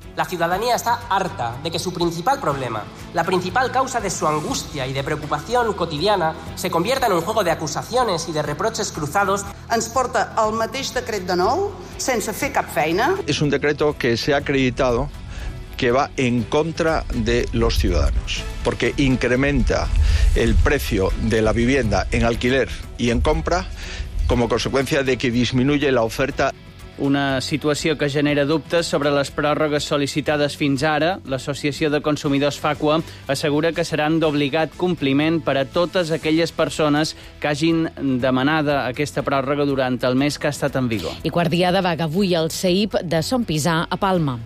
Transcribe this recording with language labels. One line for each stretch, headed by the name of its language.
Spanish: La ciudadanía está harta de que su principal problema, la principal causa de su angustia y de preocupación cotidiana, se convierta en un juego de acusaciones y de reproches cruzados.
Catalan: Ens porta el mateix decret de nou, sense fer cap feina.
Spanish: Es un decreto que se ha acreditado que va en contra de los ciudadanos, porque incrementa el precio de la vivienda en alquiler y en compra como consecuencia de que disminuye la oferta.
Catalan: Una situació que genera dubtes sobre les pròrrogues sol·licitades fins ara. L'Associació de Consumidors Facua assegura que seran d'obligat compliment per a totes aquelles persones que hagin demanada aquesta pròrroga durant el mes que ha estat en vigor. I quart dia de vaga avui al CEIP de Son Pisà, a Palma.